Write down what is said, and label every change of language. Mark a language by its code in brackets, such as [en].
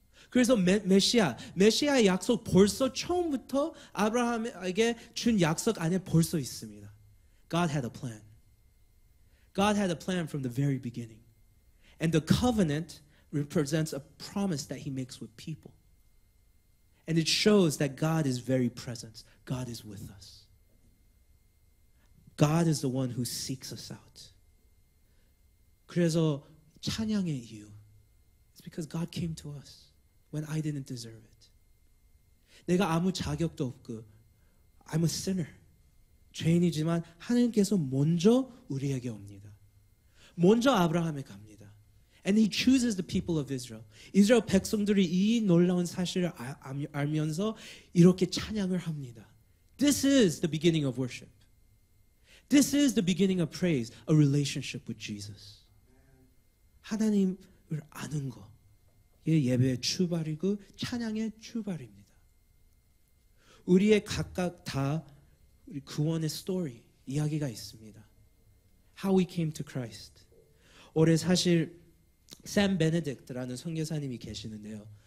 [ko] 그래서 메시아의 약속 벌써 처음부터 아브라함에게 준 약속 안에 벌써 있습니다. [en] God had a plan. God had a plan from the very beginning. And the covenant represents a promise that He makes with people. And it shows that God is very present. God is with us. God is the one who seeks us out. [ko] 그래서 찬양의 이유. [en] It's because God came to us when I didn't deserve it. [ko] 내가 아무 자격도 없고 [en] I'm a sinner. [ko] 죄인이지만 하나님께서 먼저 우리에게 옵니다. 먼저 아브라함에 갑니다. [en] And He chooses the people of Israel. [ko] 이스라엘 백성들이 이 놀라운 사실을 알면서 이렇게 찬양을 합니다. [en] This is the beginning of worship. This is the beginning of praise, a relationship with Jesus. [ko] 하나님을 아는 거. 이게 예배의 출발이고 찬양의 출발입니다. 우리의 각각 다 우리 구원의 스토리, 이야기가 있습니다. [en] How we came to Christ. [ko] 올해 사실 샘 베네딕트라는 선교사님이 계시는데요.